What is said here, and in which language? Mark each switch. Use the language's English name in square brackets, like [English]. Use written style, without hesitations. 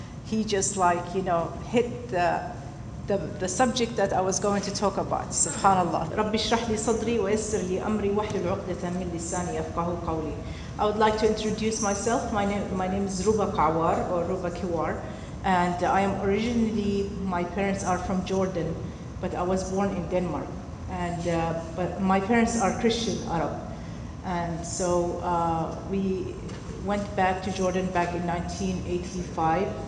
[English] He just like, you know, hit the subject that I was going to talk about. Subhanallah. [Arabic] رب اشرح لي صدري ويسر لي أمري واحلل عقدة من لساني يفقه قولي. [English] I would like to introduce myself. My name is Ruba Qewar or Ruba Qewar, and I am originally, my parents are from Jordan, but I was born in Denmark. And but my parents are Christian Arab, and so we went back to Jordan back in 1985.